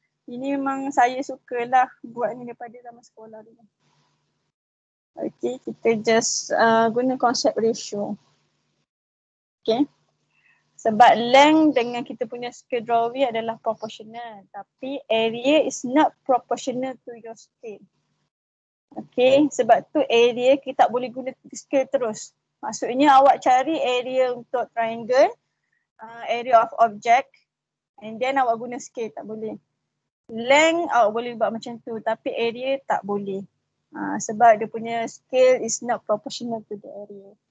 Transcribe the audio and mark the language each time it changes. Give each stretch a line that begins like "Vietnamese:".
Malay: Ini memang saya sukalah buat ni daripada zaman sekolah dulu. Okay, kita just guna konsep ratio. Okay. Sebab length dengan kita punya scale drawing adalah proportional. Tapi
English: area is not proportional to your scale.
Malay: Okay, sebab tu area kita tak boleh guna scale terus. Maksudnya awak cari area untuk triangle,
English: area of object,
Malay: and then awak guna scale, tak boleh. Length awak boleh buat macam tu, tapi area tak boleh. Sebab dia punya
English: scale is not proportional to the area.